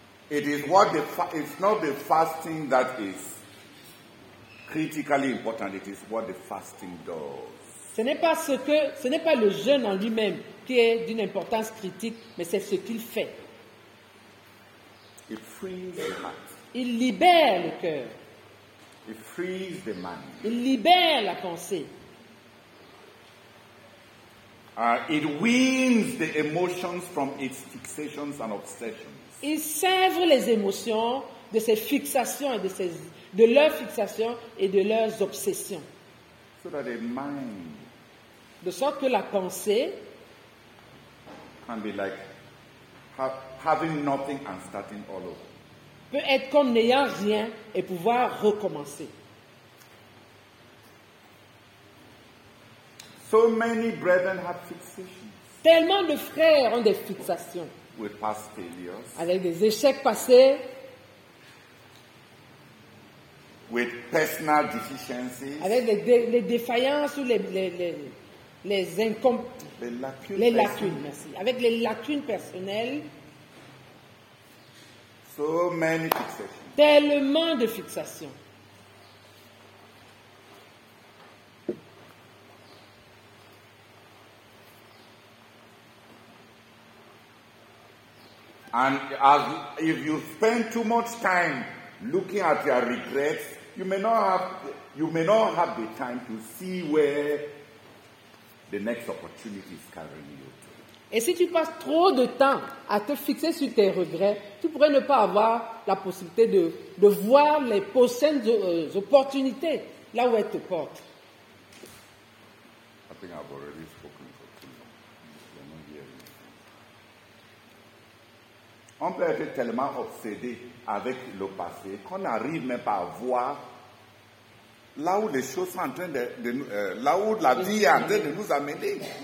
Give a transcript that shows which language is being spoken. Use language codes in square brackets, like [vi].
[en] It's not the fasting that is critically important, it is what the fasting does. [fr] Ce n'est pas le jeûne en lui-même qui est d'une importance critique, mais c'est ce qu'il fait. [en] It frees the heart. [fr] Il libère le cœur. [en] It frees the mind. [fr] Il libère la pensée. [en] It weans the emotions from its fixations and obsessions. [fr] Il sèvre les émotions de ses fixations et de leurs fixations et de leurs obsessions. [en] So that the mind. [fr] De sorte que la pensée [en] can be like having nothing and starting all over. [fr] Peut être comme n'ayant rien et pouvoir recommencer. [en] So many brethren have fixations. [fr] Tellement de frères ont des fixations. [en] With past failures. [fr] Avec des échecs passés. [en] With personal deficiencies. [fr] Avec les défaillances ou les les lacunes, merci. Avec les lacunes personnelles. [en] So many fixations. [fr] Tellement de fixations. [en] And as if you spend too much time looking at your regrets, you may not have the time to see where the next opportunity is carrying you to. [fr] Et si tu passes trop de temps à te fixer sur tes regrets, tu pourrais ne pas avoir la possibilité de voir les prochaines opportunités là où elles te portent. [en] I think I've already spoken for too long. You're not hearing me. [fr] On peut être tellement obsédé avec le passé qu'on n'arrive même pas à voir là où les choses sont en train là où la vie est en train de nous amener.